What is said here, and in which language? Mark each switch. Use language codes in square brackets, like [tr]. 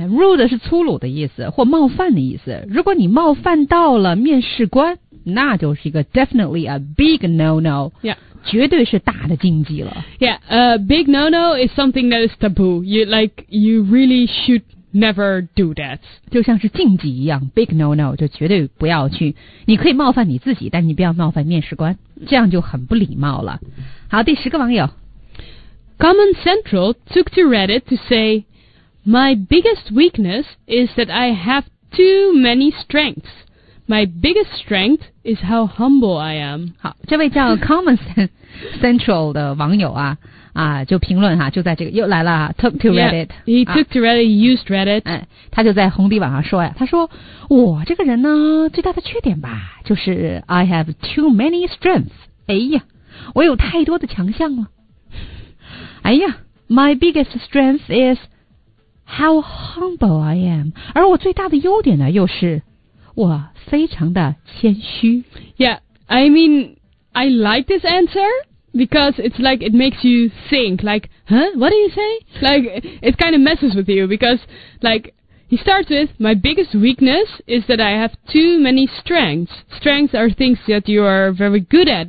[zh] Rude 是粗鲁的意思或冒犯的意思。如果你冒犯到了面试官，那就是一个 [en] definitely a big no-no. Yeah. [zh] 绝对是大的禁忌了 [en] Yeah, a big no-no is something that is taboo You really should never do that [zh] 就像是禁忌一样 Big no-no 就绝对不要去你可以冒犯你自己但你不要冒犯面试官这样就很不礼貌了好第十个网友 [en] Common Central took to Reddit to say My biggest weakness is that I have too many strengthsMy biggest strength is how humble I am. [zh] 好，这位叫 Common Central 的网友啊啊，就评论哈、啊，就在这个又来了 ， [en] took to Reddit. Yeah, he took to Reddit. He used Reddit. [zh] 哎，他就在红底网上说呀，他说我这个人呢，最大的缺点吧，就是 [en] I have too many strengths. [zh] 哎呀，我有太多的强项了。 [en] 哎呀 ，My biggest strength is how humble I am. [zh] 而我最大的优点呢，又是我非常的谦虚 [en] Yeah, I mean, I like this answer because it's like it makes you think like, huh, what do you say? Like, it kind of messes with you because like, he starts with, my biggest weakness is that I have too many strengths. Strengths are things that you are very good at.